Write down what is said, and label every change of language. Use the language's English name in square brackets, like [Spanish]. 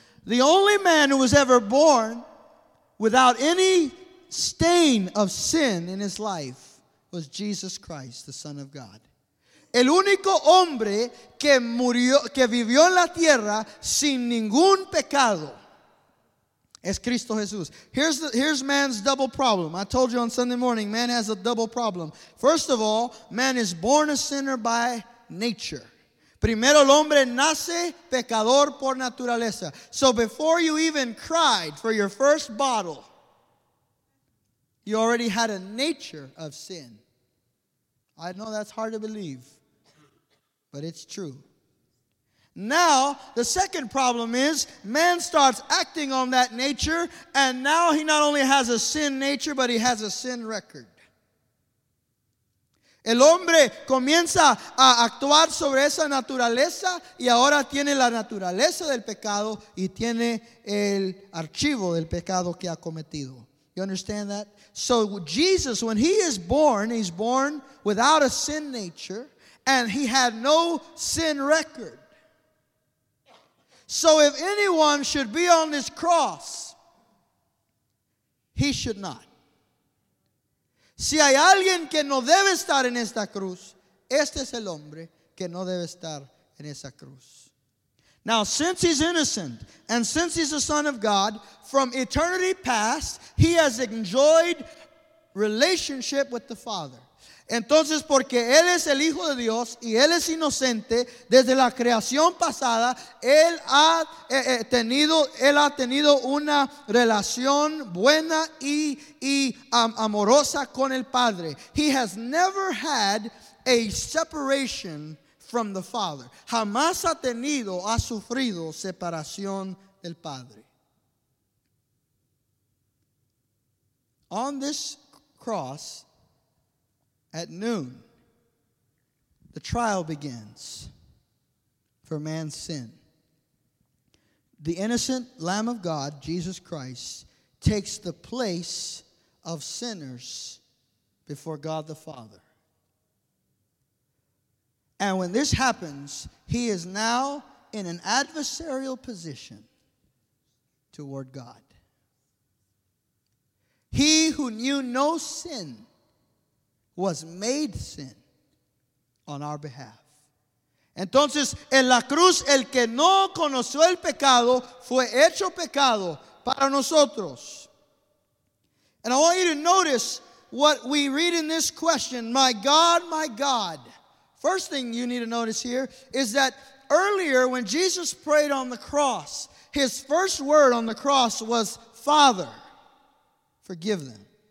[English] The only man who was ever born without any stain of sin in his life was Jesus Christ, the Son of God. [Spanish] El único hombre que murió, que vivió en la tierra sin ningún pecado, es Cristo Jesús. [English] Here's man's double problem. I told you on Sunday morning, man has a double problem. First of all, man is born a sinner by nature. [Spanish] Primero el hombre nace pecador por naturaleza. [English] So before you even cried for your first bottle, you already had a nature of sin. I know that's hard to believe, but it's true. Now, the second problem is, man starts acting on that nature, and now he not only has a sin nature, but he has a sin record. [Spanish] El hombre comienza a actuar sobre esa naturaleza, y ahora tiene la naturaleza del pecado, y tiene el archivo del pecado que ha cometido. [English] You understand that? So Jesus, when he's born without a sin nature, and he had no sin record. So if anyone should be on this cross, he should not. [Spanish] Si hay alguien que no debe estar en esta cruz, este es el hombre que no debe estar en esa cruz. [English] Now, since he's innocent, and since he's the Son of God, from eternity past, he has enjoyed relationship with the Father. [Spanish] Entonces, porque Él es el Hijo de Dios y Él es inocente, desde la creación pasada, Él ha tenido una relación buena y amorosa con el Padre. [English] He has never had a separation from the Father. [Spanish] Jamás ha sufrido separación del Padre. [English] On this cross, at noon, the trial begins for man's sin. The innocent Lamb of God, Jesus Christ, takes the place of sinners before God the Father. And when this happens, he is now in an adversarial position toward God. He who knew no sin was made sin on our behalf. [Spanish] Entonces, en la cruz, el que no conoció el pecado fue hecho pecado para nosotros. [English] And I want you to notice what we read in this question, my God, my God. First thing you need to notice here is that earlier when Jesus prayed on the cross, his first word on the cross was, Father, forgive them.